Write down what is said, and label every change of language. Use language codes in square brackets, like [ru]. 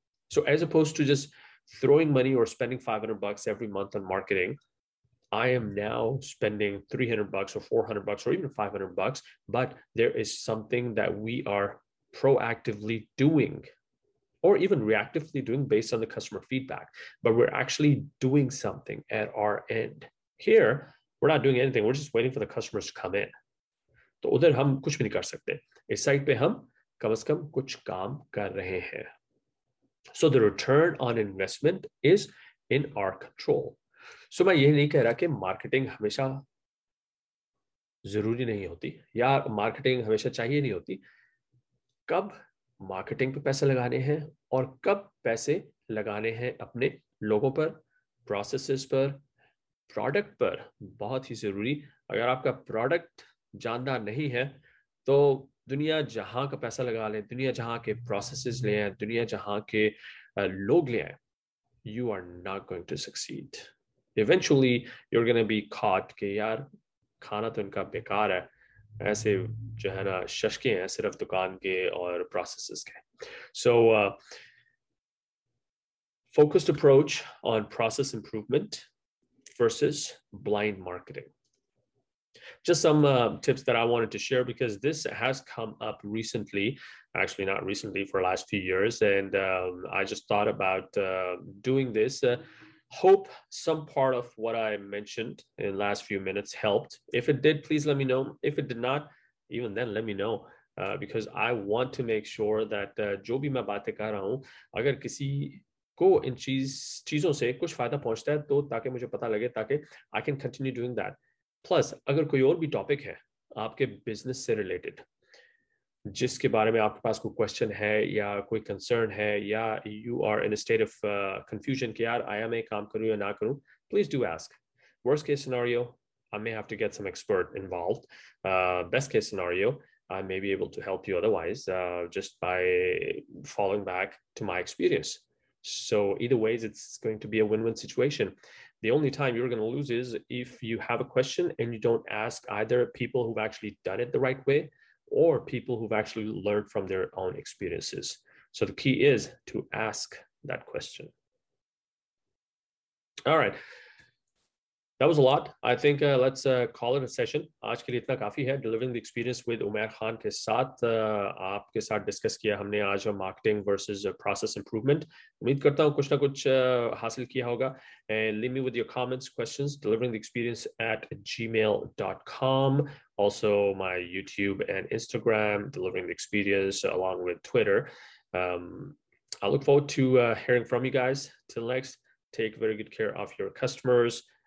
[en] So as opposed to just throwing money or spending $500 every month on marketing, I am now spending $300 or $400 or even $500, but there is something that we are proactively doing, or even reactively doing based on the customer feedback, but we're actually doing something at our end. Here, we're not doing anything. We're just waiting for the customers to come in. [hi] तो उधर हम कुछ भी नहीं कर सकते. इस side पे हम कम से कम कुछ काम कर रहे हैं. [en] So the return on investment is in our control. [hi] So मैं ये नहीं कह रहा कि marketing हमेशा जरूरी नहीं होती या marketing हमेशा चाहिए नहीं होती. कब marketing पे पैसे लगाने हैं और कब पैसे लगाने हैं अपने लोगों पर, processes पर, प्रोडक्ट पर, बहुत ही जरूरी. अगर आपका प्रोडक्ट जानदार नहीं है तो दुनिया जहां का पैसा लगा लें, दुनिया जहां के प्रोसेसेस ले आए, दुनिया जहां के लोग ले आए, [en] You are not going to succeed. Eventually you are going to be caught [hi] के यार खाना तो इनका बेकार है, ऐसे जो है ना शशके हैं सिर्फ दुकान के और प्रोसेसेस के. [en] So focused approach on process improvement versus blind marketing. Just some tips that I wanted to share, because this has come up recently, actually not recently, for the last few years, and I just thought about doing this. Hope some part of what I mentioned in the last few minutes helped. If it did, please let me know. If it did not, even then, let me know. because I want to make sure that [hi] जो भी मैं बातें कर रहा हूँ अगर किसी को इन चीजों से कुछ फायदा पहुंचता है तो ताकि मुझे पता लगे ताकि [en] I can continue doing that plus [hi] अगर कोई और भी टॉपिक है आपके बिजनेस से रिलेटेड जिसके बारे में आपके पास कोई क्वेश्चन है या कोई कंसर्न है [en] या you are in a state of confusion [hi] कि यार आया मैं काम करूं या ना करूं [en] Please do ask worst case scenario I may have to get some expert involved best case scenario I may be able to help you otherwise just by following back to my experience So either way, it's going to be a win-win situation. The only time you're going to lose is if you have a question and you don't ask either people who've actually done it the right way or people who've actually learned from their own experiences. So the key is to ask that question. All right. That was a lot. I think let's call it a session. [hi] आज के लिए इतना काफी है. Delivering the experience with Umair Khan के साथ आपके साथ discuss किया हमने आज marketing versus process improvement. उम्मीद करता हूँ कुछ ना कुछ हासिल किया होगा. [en] And leave me with your comments, questions. Delivering the experience at gmail.com. Also my YouTube and Instagram. Delivering the experience along with Twitter. I look forward to hearing from you guys. Till next, take very good care of your customers.